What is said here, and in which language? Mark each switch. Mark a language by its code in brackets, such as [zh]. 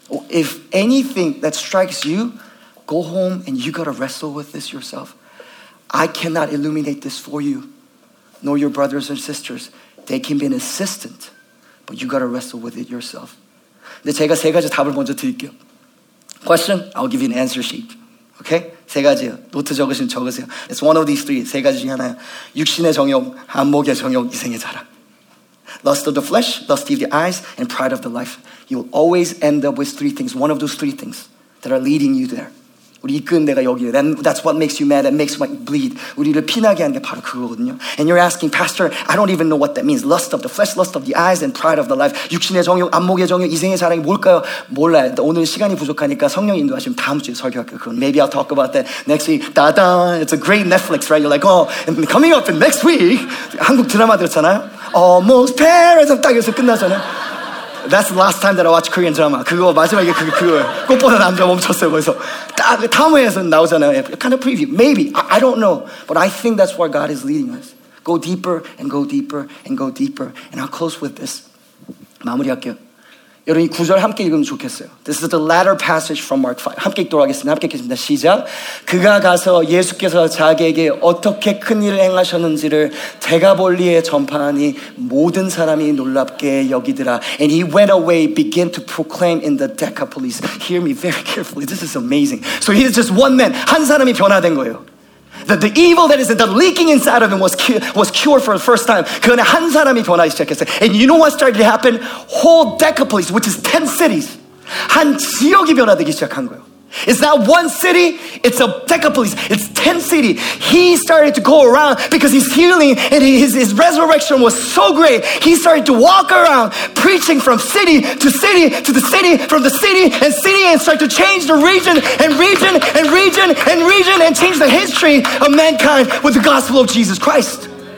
[en] If anything that strikes you, go home and you gotta wrestle with this yourself. I cannot illuminate this for you, nor your brothers and sisters. They can be an assistant, but you gotta wrestle with it yourself. [ko] 근데 제가 세 가지 답을 먼저 드릴게요. [en] Question, I'll give you an answer sheet. Okay? [ko] 세 가지요. 노트 적으시면 적으세요. It's one of these three. 세 가지 중에 하나요. 육신의 정욕, 안목의 정욕, 이생의 자랑. [en] Lust of the flesh, lust of the eyes, and pride of the life. You will always end up with three things. One of those three things that are leading you there. [ko] 우리 이끄는 데가 여기예요. [en] That's what makes you mad. That makes you bleed. [ko] 우리를 피나게 하는 게 바로 그거거든요. [en] And you're asking, Pastor, I don't even know what that means. Lust of the flesh, lust of the eyes, and pride of the life. [ko] 육신의 정욕, 안목의 정욕, 이생의 자랑이 뭘까요? 몰라요. 오늘 시간이 부족하니까 성령 인도하시면 다음 주에 설교할게요. 그건. [en] Maybe I'll talk about that next week. Da-da. It's a great Netflix, right? You're like, oh, and coming up in next week. [ko] 한국 드라마 들었잖아요. [en] Almost Paradise. [ko] 딱 여기서 끝나잖아요. [en] That's the last time that I watched Korean drama. [ko] 그거 마지막에 그거 꽃보다 남자 멈췄어요. 그래서 딱 다음 회에서 나오잖아요. [en] Kind of preview. Maybe. I don't know. But I think that's where God is leading us. Go deeper and go deeper and go deeper. And I'll close with this. [ko] 마무리할게요. 여러분 이 구절 함께 읽으면 좋겠어요. [en] This is the latter passage from Mark 5. [ko] 함께 읽도록 하겠습니다. 함께 읽겠습니다. 시작. 그가 가서 예수께서 자기에게 어떻게 큰 일을 행하셨는지를 대가볼리에 전파하니 모든 사람이 놀랍게 여기더라. [en] And he went away, began to proclaim in the Decapolis. Hear me very carefully. This is amazing. So he is just one man. [ko] 한 사람이 변화된 거예요. [en] The evil that is in the leaking inside of him was cured for the first time. [ko] 그런데 한 사람이 변화하기 시작했어요. [en] And you know what started to happen? Whole Decapolis, which is 10 cities. [ko] 한 지역이 변화되기 시작한 거예요. [en] It's not one city, it's a Decapolis. It's 10 cities. He started to go around because his healing and his resurrection was so great. He started to walk around preaching from city to city to the city, from the city and start to change the region and change the history of mankind with the gospel of Jesus Christ.